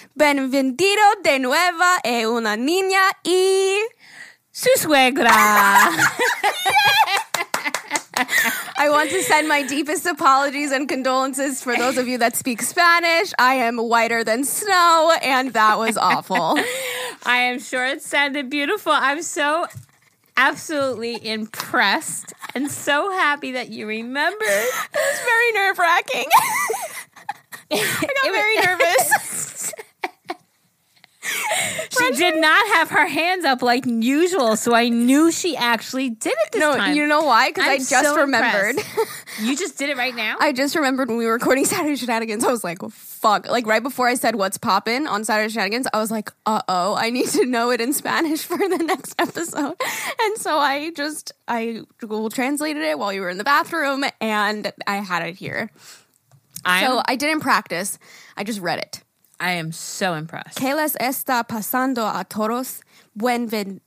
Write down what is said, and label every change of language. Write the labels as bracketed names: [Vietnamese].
[Spanish] Bienvenido de nuevo a una niña y su suegra. [English] I want to send my deepest apologies and condolences for those of you that speak Spanish. I am whiter than snow, and that was awful. I am sure it sounded beautiful. I'm so absolutely impressed and so happy that you remembered. It was very nerve-wracking. I got very nervous. She did not have her hands up like usual, so I knew she actually did it this time. No, you know why? Because I just so remembered. You just did it right now? I just remembered when we were recording Saturday Shenanigans, I was like, fuck. Like, right before I said what's poppin' on Saturday Shenanigans, I was like, uh-oh, I need to know it in Spanish for the next episode. And so I Google translated it while you were in the bathroom, and I had it here. So I didn't practice. I just read it. I am so impressed. [Spanish] ¿Qué les está pasando a todos?